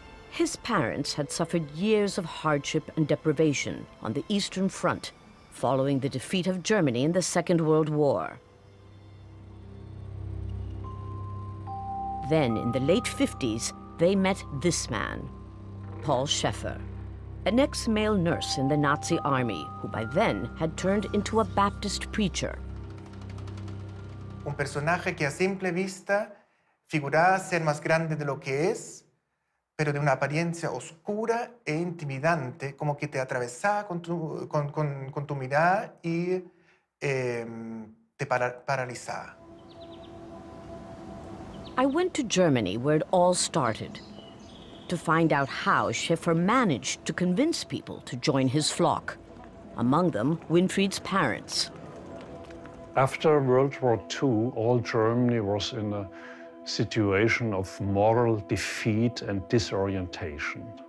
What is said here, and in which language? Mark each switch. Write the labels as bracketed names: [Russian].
[English] His parents had suffered years of hardship and deprivation on the Eastern Front following the defeat of Germany in the Second World War. Then, in the late 50s, they met this man, Paul Schaefer, an ex-male nurse in the Nazi army, who by then had turned into a Baptist preacher. [Spanish] Un personaje que a simple vista figuraba ser más grande de lo que es, pero de una apariencia oscura e intimidante, como que te atravesaba con tu mirada y te paralizaba. [English] I went to Germany, where it all started, to find out how Schaefer managed to convince people to join his flock, among them Winfried's parents. After World War II, all Germany was in a situation of moral defeat and disorientation.